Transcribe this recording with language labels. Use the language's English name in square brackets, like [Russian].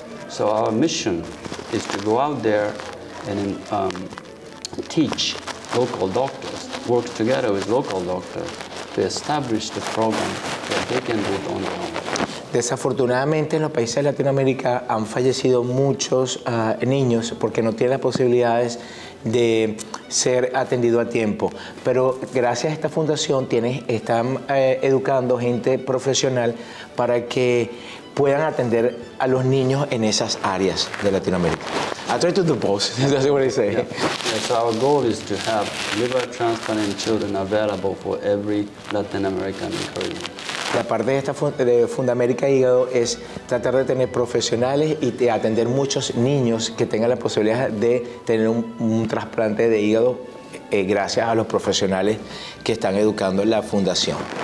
[English] So our mission is to go out there and teach local doctors, work together with local doctors to establish the program that they can do it on their own. [Spanish] Desafortunadamente, en los países de Latinoamérica han fallecido muchos niños porque no tienen las posibilidades de ser atendido a tiempo. Pero gracias a esta fundación están educando gente profesional para que puedan atender a los niños en esas áreas de Latinoamérica. [English] I'll try to do both. That's what I say. Yeah. So our goal is to have liver transplant in children available for every Latin American and Caribbean. [Spanish] La parte de esta de Fundamérica Hígado es tratar de tener profesionales y de atender muchos niños que tengan la posibilidad de tener un trasplante de hígado gracias a los profesionales que están educando en la fundación.